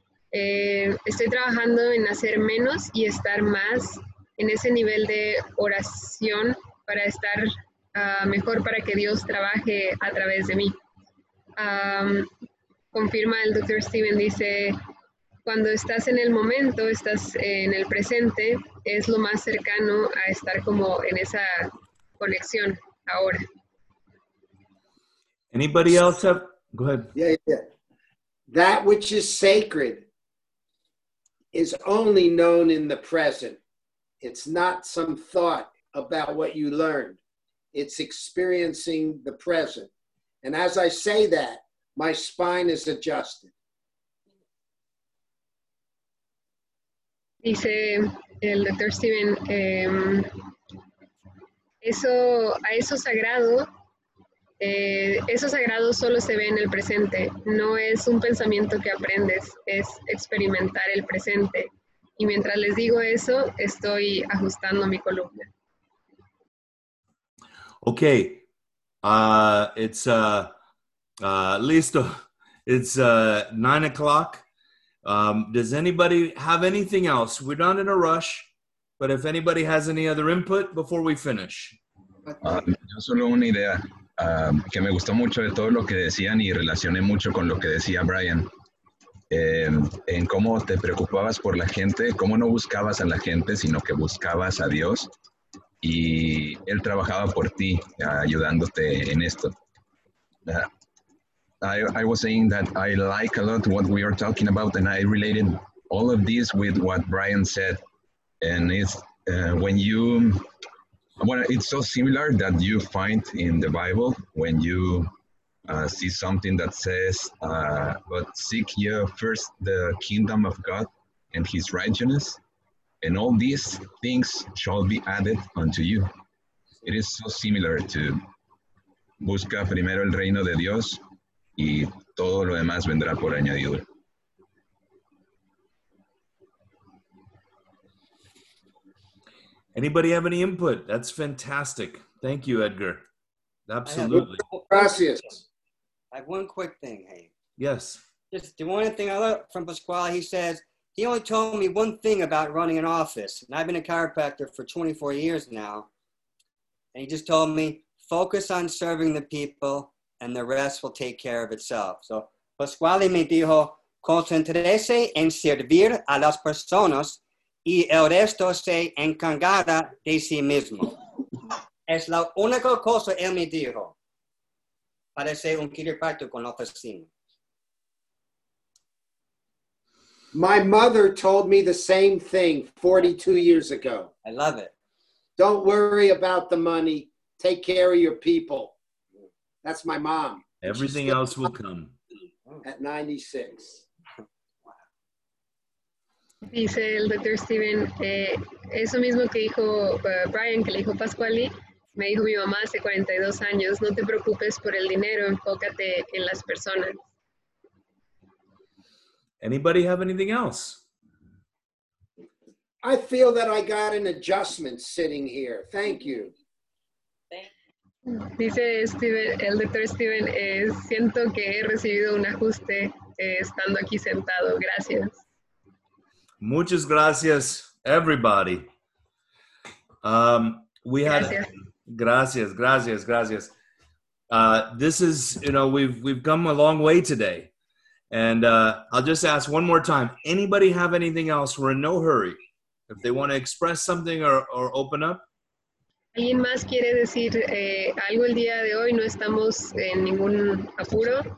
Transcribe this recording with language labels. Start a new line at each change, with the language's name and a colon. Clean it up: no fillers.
Spanish: Estoy trabajando en hacer menos y estar más en ese nivel de oración para estar mejor para que Dios trabaje a través de mí. Confirma el doctor Steven, dice, cuando estás en el momento, estás en el presente, es lo más cercano a estar como en esa conexión ahora.
English: Anybody else have, go ahead. Yeah. That which is sacred is only known in the present. It's not some thought about what you learned. It's experiencing the present. And as I say that, my spine is adjusted.
Spanish: Dice el doctor Steven, eso sagrado solo se ve en el presente. No es un pensamiento que aprendes, es experimentar el presente. Y mientras les digo eso, estoy ajustando mi columna.
English: Okay.
Spanish: Listo.
English: It's 9 o'clock. Does anybody have anything else? We're not in a rush, but if anybody has any other input before we finish.
Spanish: Yo solo una idea que me gustó mucho de todo lo que decían y relacioné mucho con lo que decía Brian. En cómo te preocupabas por la gente, cómo no buscabas a la gente, sino que buscabas a Dios. y él trabajaba por ti, ayudándote en esto.
English: I was saying that I like a lot what we are talking about, and I related all of this with what Brian said. And it's when you, well, it's so similar that you find in the Bible when you see something that says, but seek ye first the kingdom of God and his righteousness, and all these things shall be added unto you. It is so similar to
Spanish: busca primero el reino de Dios y todo lo demás vendrá por añadidura.
English: Anybody have any input? That's fantastic. Thank you, Edgar. Absolutely.
Spanish: Gracias.
English: I have one quick thing, hey. Yes. Just the one thing I learned from Pasquale, he says, he only told me one thing about running an office. And I've been a chiropractor for 24 years now. And he just told me, focus on serving the people and the rest will take care of itself.
Spanish: So Pasquale me dijo, concentrese en servir a las personas y el resto se encargará de sí mismo. Es la única cosa él me dijo. Parece un quiropráctico con oficina.
English: My mother told me the same thing 42 years ago. I love it. Don't worry about the money. Take care of your people. That's my mom. Everything else will come. At 96.
Spanish: Dice el doctor Steven, eso mismo que dijo Brian, que le dijo Pasquale, me dijo mi mamá hace 42 años, no te preocupes por el dinero, enfócate en las personas.
English: Anybody have anything else? I feel that I got an adjustment sitting here. Thank you.
Spanish: Dice Steven, el doctor Steven, siento que he recibido un ajuste estando aquí sentado. Gracias. Muchas gracias,
English: everybody. We had
Spanish: gracias.
English: This is, you know, we've come a long way today, and I'll just ask one more time. Anybody have anything else? We're in no hurry. If they want to express something or open up.
Spanish: ¿Alguien más quiere decir algo el día de hoy? No estamos en ningún apuro.